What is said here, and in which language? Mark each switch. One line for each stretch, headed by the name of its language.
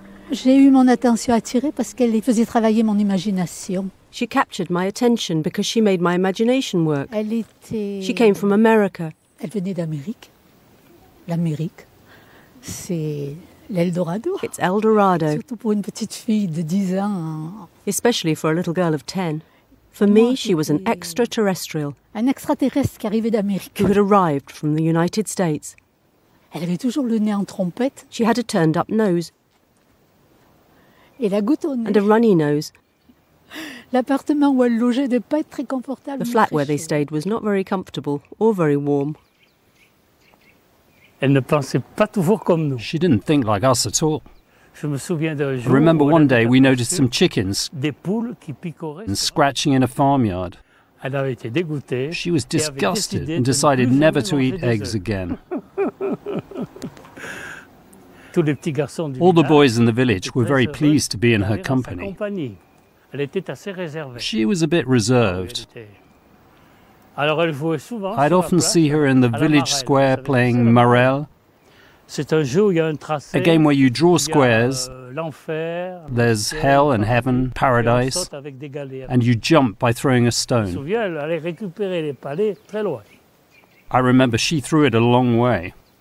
French: J'ai eu mon attention attirée parce qu'elle faisait travailler mon imagination.
English: She captured my attention because she made my imagination work.
French: Elle était...
English: She came from America.
French: Elle venait d'Amérique. L'Amérique, c'est l'Eldorado.
English: It's Eldorado.
French: Surtout pour une petite fille de 10 ans.
English: Especially for a little girl of 10. For me, she was an extraterrestrial.
French: Un extraterrestre qui arrivait d'Amérique.
English: Who had arrived from the United States.
French: Elle avait toujours le nez en trompette.
English: She had a turned up nose.
French: Et la goutte au nez.
English: And a runny nose.
French: L'appartement où elle logeait n'était pas très confortable.
English: The flat where they stayed was not very comfortable or very warm.
French: Elle ne pensait pas toujours comme nous.
English: She didn't think like us at all.
French: Je me souviens d'un jour,
English: I remember one day we noticed some chickens
French: des poules qui picoraient
English: and scratching in a farmyard.
French: Elle avait été dégoûtée.
English: She was disgusted and decided never to eat eggs again.
French: Tous les petits garçons du
English: all the boys in the village were very pleased to be in her company.
French: Elle était assez réservée.
English: She was a bit reserved.
French: Alors elle jouait souvent
English: I'd often see her in the village square playing Marel.
French: C'est un jeu où il y a un tracé.
English: A game where you draw squares.
French: L'enfer.
English: There's hell and heaven, paradise. And you jump by throwing a stone.
French: Je me souviens, elle allait récupérer les palets très loin.
English: I remember she threw it a long way.